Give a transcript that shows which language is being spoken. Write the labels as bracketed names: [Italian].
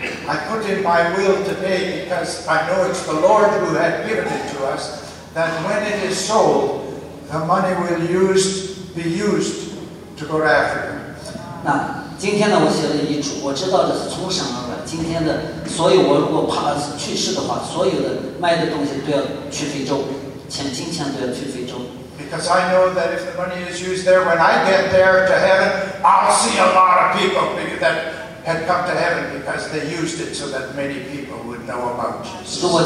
[English] I put in my will today because I know it's the Lord who had given it to us, that when it is sold, the money will be used to go to Africa. [Chinese] 那今天呢，我写了遗嘱，我知道的是从神而来。今天的，所以我如果怕去世的话，所有的卖的东西都要去非洲。 [English] Because I know that if the money is used there, when I get there to heaven, I'll see a lot of people that had come to heaven because they used it so that many people would know about Jesus.